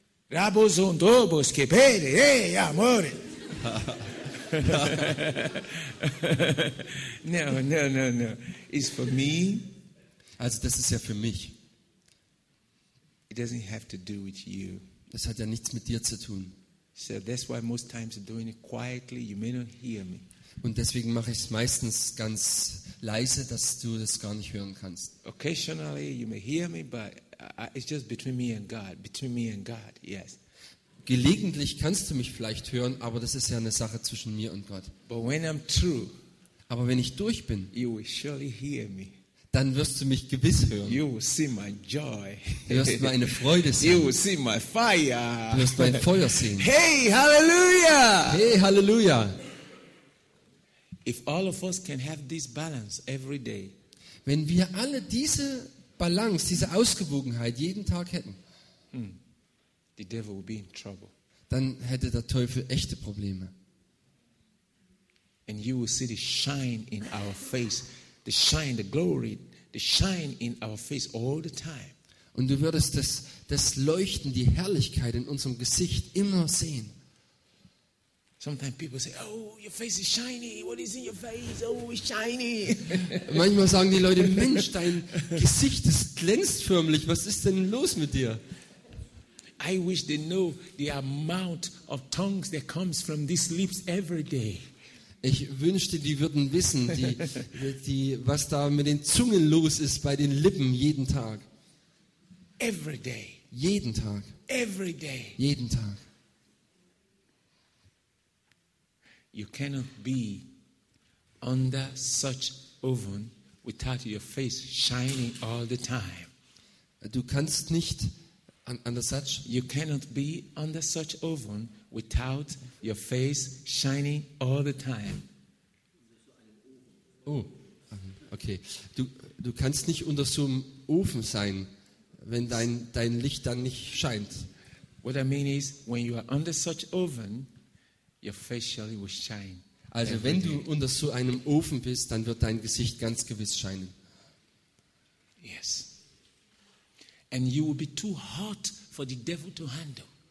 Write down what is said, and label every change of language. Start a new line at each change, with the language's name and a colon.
English: Rabos und Obos, kepere, hey, amore. No. It's for me.
German: Also das ist ja für mich.
English: It doesn't have to do with you.
German: Das hat ja nichts mit dir zu tun.
English: So that's why most times I'm doing it quietly. You may not hear me.
German: Und deswegen mache ich es meistens ganz leise, dass du das gar nicht hören kannst.
English: Occasionally you may hear me, but it's just between me and God. Between me and God, yes.
German: Gelegentlich kannst du mich vielleicht hören, aber das ist ja eine Sache zwischen mir und Gott.
English: But when I'm through,
German: aber wenn ich durch bin,
English: you will surely hear me.
German: Dann wirst du mich gewiss hören.
English: You will see my joy.
German: Du wirst meine Freude sehen.
English: You will see my fire.
German: Du wirst mein Feuer sehen. Hey, Hallelujah! Hey, Hallelujah!
English: If all of us can have this balance every day,
German: wenn wir alle diese Balance, diese Ausgewogenheit jeden Tag hätten,
English: the devil will be in trouble.
German: Dann hätte der Teufel echte Probleme.
English: And you will see the shine in our face, the shine, the glory, the shine in our face all the time.
German: Und du würdest das Leuchten, die Herrlichkeit in unserem Gesicht immer sehen.
English: Sometimes people say, oh, your face is shiny. What is in your face? Oh, it's shiny.
German: Manchmal sagen die Leute, Mensch, dein Gesicht ist glänzt förmlich. Was ist denn los mit dir?
English: I wish they know the amount of tongues that comes from these lips every day.
German: Ich wünschte, die würden wissen, die was da mit den Zungen los ist bei den Lippen jeden Tag.
English: Every day.
German: Jeden Tag.
English: Every day.
German: Jeden Tag.
English: You cannot be under such oven without your face shining all the time.
German: Du kannst nicht
English: under such. You cannot be under such oven without your face shining all the time. Oh, okay.
German: Du kannst nicht unter so einem Ofen sein, wenn dein Licht dann nicht scheint.
English: What I mean is, when you are under such oven, your face surely will shine.
German: Also wenn du unter so einem Ofen bist, dann wird dein Gesicht ganz gewiss scheinen.
English: Yes. And you will be too hot for the devil to handle.